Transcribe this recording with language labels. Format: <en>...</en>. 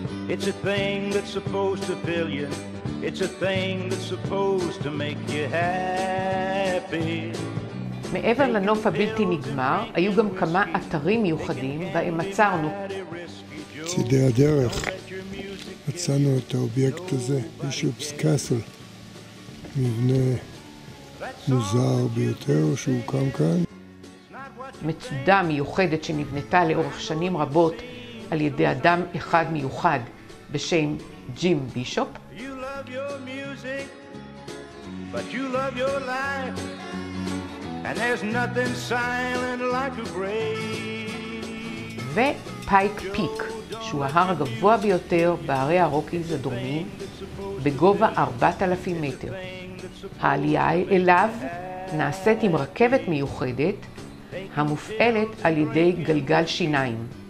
<en>It's a thing that's supposed to fill you. It's a thing that's supposed to make you happy.</en> <he>מעבר לנוף הבלתי נגמר, היו גם כמה אתרים מיוחדים בהם מצאנו. צידי הדרך, מצאנו את האובייקט הזה, בישופס קאסל. מבנה מוזר ביותר שהוקם כאן. מצודה מיוחדת שנבנתה לאורך שנים רבות על ידי אדם אחד מיוחד בשם ג'ים בישופ.</he> <en>You love your music, but you love your life, and there's nothing silent like a grave.</en> <he>ופייק פיק, שהוא ההר הגבוה ביותר בערי הרוקיז הדרומיים, בגובה 4,000 מטר. העלייה אליו נעשית עם רכבת מיוחדת המופעלת על ידי גלגל שיניים.</he>